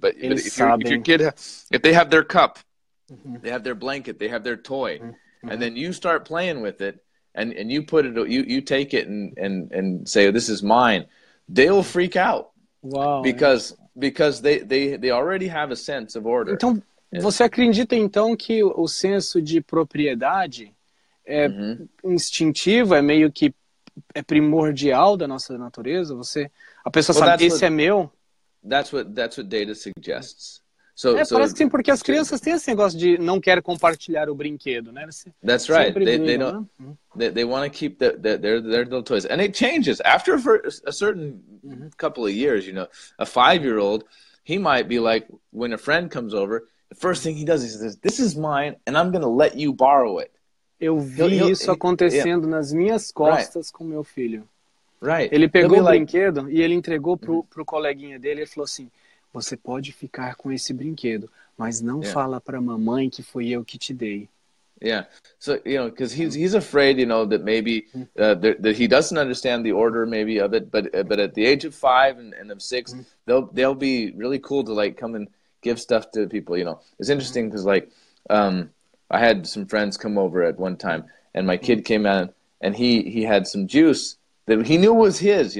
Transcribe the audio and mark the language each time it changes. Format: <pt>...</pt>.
<en>But if they have their cup, they have their blanket, they have their toy, and then you start playing with it, and you put it, you take it and say, this is mine, they'll freak out. Wow. Because they already have a sense of order.</en> <pt>Então, você acredita então que o senso de propriedade é instintivo, é meio que é primordial da nossa natureza? A pessoa sabe, esse é meu?</pt> <en>That's what data suggests.</en> <pt>Parece que sim, porque as crianças têm esse negócio de não querer compartilhar o brinquedo, né?</pt> <en>That's right. They want to keep their little toys. And it changes. After a certain couple of years, you know, a five-year-old, he might be like, when a friend comes over, the first thing he does is, this is mine, and I'm going to let you borrow it.</en> <pt>Eu vi isso acontecendo nas minhas costas com meu filho.</pt> <en>Right.</en> <pt>Ele pegou o brinquedo e ele entregou pro coleguinha dele e falou assim, você pode ficar com esse brinquedo, mas não fala para a mamãe que foi eu que te dei.</pt> <en>Yeah. So, you know, because he's afraid, you know, that maybe that he doesn't understand the order maybe of it, but at the age of five and of six, they'll be really cool to like come and give stuff to people, you know. It's interesting because I had some friends come over at one time, and my kid came out, and he had some juice that he knew was his.</en>